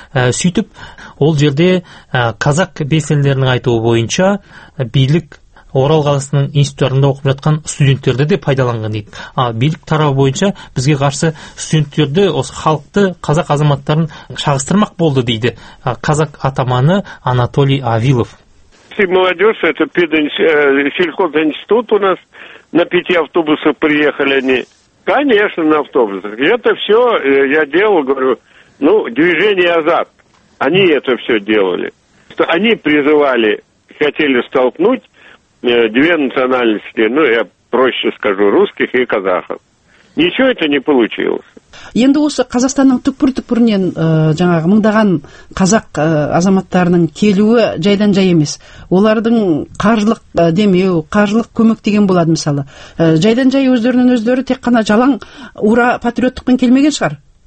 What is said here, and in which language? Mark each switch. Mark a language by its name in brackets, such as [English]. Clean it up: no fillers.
[Kazakh] Сөйтіп ол жерде қазақ белсенділерінің айтуы бойынша билік Орал қаласының институттарында оқып жатқан студенттерді де пайдаланған дейді. Билік тарау бойынша бізге қарсы студенттерді, осы халықты, қазақ азаматтарын шағыстырмақ болды дейді қазақ атаманы Анатолий Авилов. [Russian] Все молодежь, это сельхозинститут у нас, на 5 автобусов приехали они. Конечно, на автобусах. Это все я делал, говорю, движение Азат. Они это все делали. Они призывали, хотели столкнуть две национальности, я проще скажу, русских и казахов. Ничего это не получилось. [Kazakh] Енді осы Қазақстанның түкпір-түкпірінен жаңағы мыңдаған қазақ азаматтарының келуі жайдан жай емес. Олардың қаржылық демеу, қаржылық көмек деген болады мысалы. Жайдан жай өздерінің өздері тек қана жалаң ура патриоттықпен келмеген шығар.